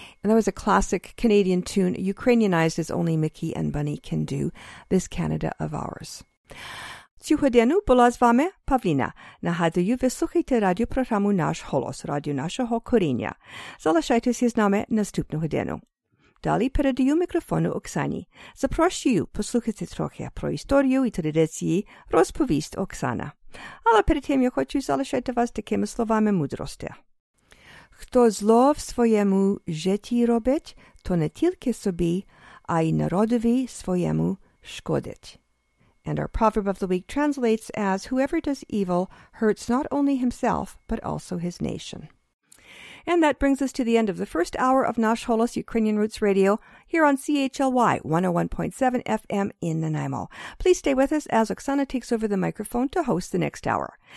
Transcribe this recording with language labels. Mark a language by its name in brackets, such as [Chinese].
[English] And that was a classic Canadian tune, Ukrainianized, as only Mickey and Bunny can do, This Canada of Ours. [Ukrainian] Сьогодні була з вами Павліна. Нагадую, ви слухаєте радіопрограму «Наш голос», радіо нашого коріння. Залишайтеся з нами наступного дня. Далі передаю мікрофону Оксані. Запрошую послухати трохи про історію і традиції, розповість Оксана. Але перед тим я хочу залишати вас такими словами мудрості. Хто зло в своєму житті робить, то не тільки собі, а й народові своєму шкодить. [English] And our proverb of the week translates as, whoever does evil hurts not only himself, but also his nation. And that brings us to the end of the first hour of Nash Holos Ukrainian Roots Radio here on CHLY 101.7 FM in Nanaimo. Please stay with us as Oksana takes over the microphone to host the next hour.